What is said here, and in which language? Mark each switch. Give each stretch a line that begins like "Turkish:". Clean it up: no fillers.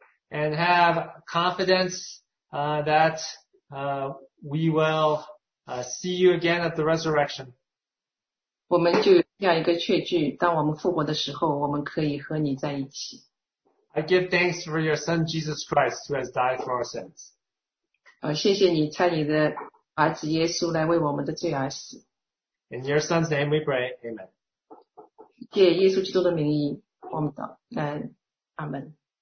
English: And have confidence, that, we will, see you again at the resurrection.
Chinese: 我们就这样一个确据，当我们复活的时候，我们可以和你在一起。
English: I give thanks for your son Jesus Christ who has died for our sins.
Chinese: 谢谢你差你的儿子耶稣来为我们的罪而死。
English: In your son's name we pray, amen.
Chinese: 借耶稣基督的名义，我们祷告，阿门。